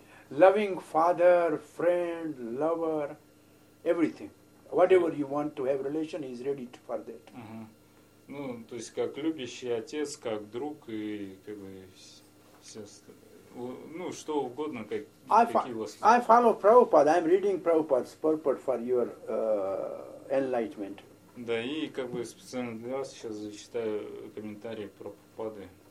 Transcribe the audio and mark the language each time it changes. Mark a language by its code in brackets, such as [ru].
[en] Loving father, friend, lover, everything. Whatever you want to have relation, he is ready for that. Uh-huh. [ru] Ну, то есть как любящий отец, как друг и как бы все, ну что угодно, как какие у вас. [en] I follow Prabhupada. I am reading Prabhupada's purport for your enlightenment. [ru] Да, и как бы специально для вас сейчас зачитаю комментарии Прабхупады.